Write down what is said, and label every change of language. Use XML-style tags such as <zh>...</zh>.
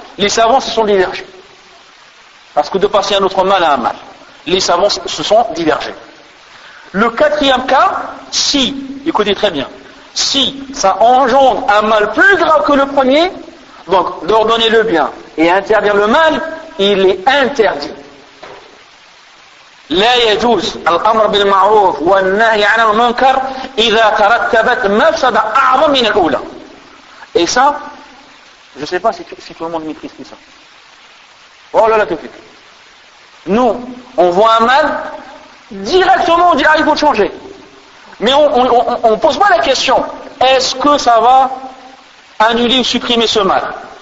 <fr>Les savants se sont divergés. Parce que de passer un autre mal à un mal, les savants se sont divergés. Le quatrième cas, si, écoutez très bien, si ça engendre un mal plus grave que le premier, donc d'ordonner le bien et interdire le mal, il est interdit.</fr> <ar>لا يجوز الأمر بالمعروف والنهي عن المنكر إذا ترتبت مفسدة أعظم من الأولى.</ar> <fr>Et ça, je ne sais pas si tout le monde maîtrise ça. Oh là là, tout de suite. Nous, on voit un mal, directement on dit, ah, il faut changer. Mais on ne pose pas la question, est-ce que ça va annuler ou supprimer ce mal?</fr>